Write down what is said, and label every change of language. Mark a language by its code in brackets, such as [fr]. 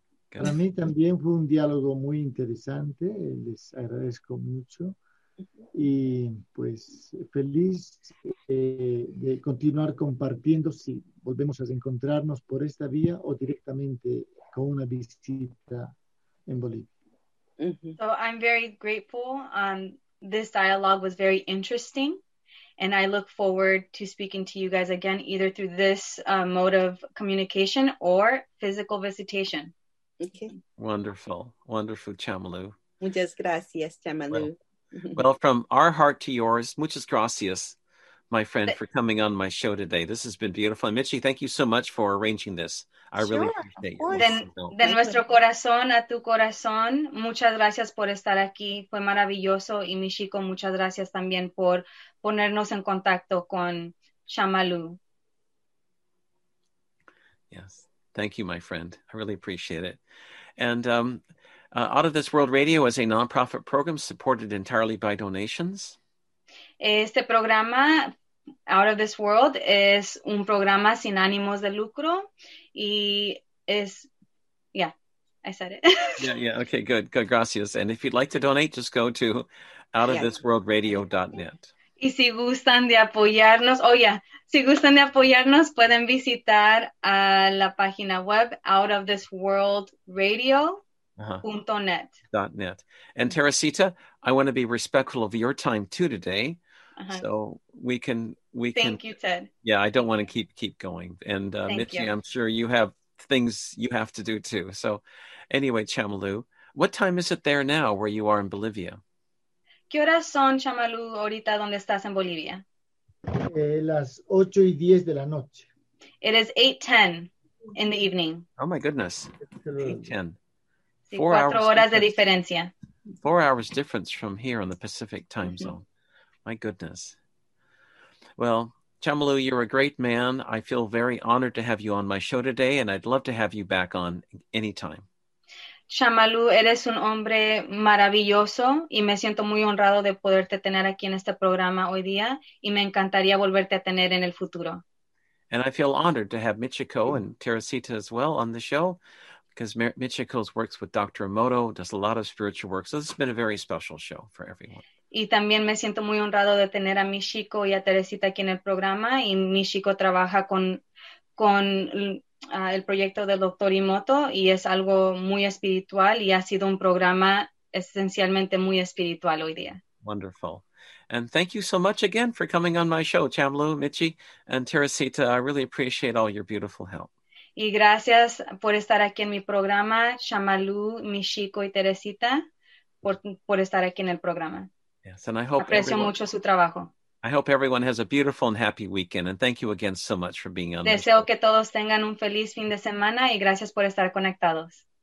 [es] Para mí también fue un diálogo muy interesante. Les agradezco mucho y pues feliz de continuar compartiendo si volvemos a encontrarnos por esta vía o directamente con una visita en Bolivia. [en] So I'm very grateful. This dialogue was very interesting, and I look forward to speaking to you guys again, either through this mode of communication or physical visitation. Okay. Wonderful. Wonderful, Chamalu. [es] Muchas gracias, Chamalu. [en] Well, from our heart to yours, [es] muchas gracias, [en] my friend, for coming on my show today. This has been beautiful. And Michi, thank you so much for arranging this. I really appreciate you. [es] De nuestro corazón a tu corazón, muchas gracias por estar aquí. Fue maravilloso. Y Michiko, muchas gracias también por ponernos en contacto con Chamalu. [en] Yes. Thank you, my friend. I really appreciate it. And Out of This World Radio is a nonprofit program supported entirely by donations. [es] Este programa, Out of This World, es un programa sin ánimos de lucro. Y es, [en] yeah, I said it. Yeah, okay, good. Good, gracias. And if you'd like to donate, just go to outofthisworldradio.net. [es] Y si gustan de apoyarnos, si gustan de apoyarnos, pueden visitar a la página web outofthisworldradio.net. Uh-huh. .net. [en] And Teresita, I want to be respectful of your time too today. Uh-huh. So thank you, Ted. Yeah, I don't want to keep going. And Michi, I'm sure you have things you have to do too. So anyway, Chamalu, what time is it there now where you are in Bolivia? [es] ¿Qué horas son, Chamalu, ahorita donde estás en Bolivia? Las 8 y 10 de la noche. [en] It is 8:10 in the evening. Oh my goodness. 8:10. [es] Sí, 4 horas de diferencia. [en] 4 hours difference from here on the Pacific time zone. My goodness. Well, Chamalu, you're a great man. I feel very honored to have you on my show today, and I'd love to have you back on anytime. [es] Chamalu, eres un hombre maravilloso y me siento muy honrado de poderte tener aquí en este programa hoy día y me encantaría volverte a tener en el futuro. [en] And I feel honored to have Michiko and Teresita as well on the show because Michiko works with Dr. Emoto, does a lot of spiritual work. So this has been a very special show for everyone. [es] Y también me siento muy honrado de tener a Michiko y a Teresita aquí en el programa y Michiko trabaja con el proyecto del Dr. Emoto y es algo muy espiritual y ha sido un programa esencialmente muy espiritual hoy día. [en] Wonderful. And thank you so much again for coming on my show, Chamalu, Michi, and Teresita. I really appreciate all your beautiful help. [es] Y gracias por estar aquí en mi programa, Chamalu, Michiko y Teresita, por estar aquí en el programa. [en] Yes, and I hope [es] aprecio everyone, mucho su trabajo. [en] I hope everyone has a beautiful and happy weekend, and thank you again so much for being on. [es] Deseo que todos tengan un feliz fin de semana y gracias por estar conectados.